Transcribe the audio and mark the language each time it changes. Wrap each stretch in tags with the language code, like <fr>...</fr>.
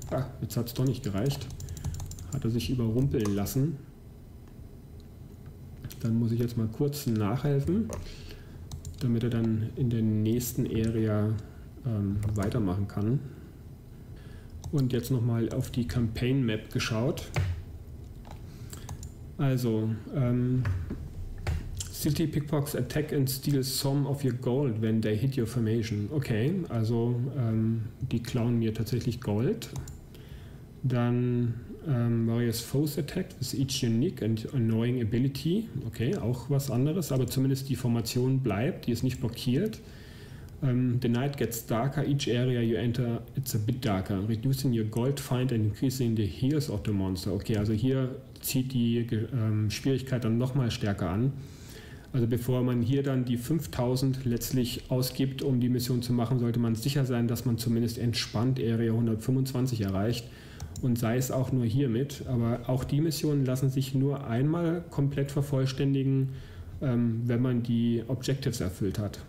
<de>Ah, jetzt hat es doch nicht gereicht. Hat er sich überrumpeln lassen. Dann muss ich jetzt mal kurz nachhelfen, damit er dann in der nächsten Area weitermachen kann. Und jetzt nochmal auf die Campaign Map geschaut.</de> <en>Also, City Pickpocks attack and steal some of your gold when they hit your formation.</en> <de>Okay, also die klauen mir tatsächlich Gold.</de> <en>Dann various foes attack with each unique and annoying ability.</en> <de>Okay, auch was anderes, aber zumindest die Formation bleibt, die ist nicht blockiert.</de> <en>The night gets darker, each area you enter, it's a bit darker. Reducing your gold find and increasing the heals of the monster.</en> <de>Okay, also hier zieht die Schwierigkeit dann nochmal stärker an. Also bevor man hier dann die 5000 letztlich ausgibt, um die Mission zu machen, sollte man sicher sein, dass man zumindest entspannt Area 125 erreicht. Und sei es auch nur hiermit. Aber auch die Missionen lassen sich nur einmal komplett vervollständigen, wenn man die Objectives erfüllt hat.</de>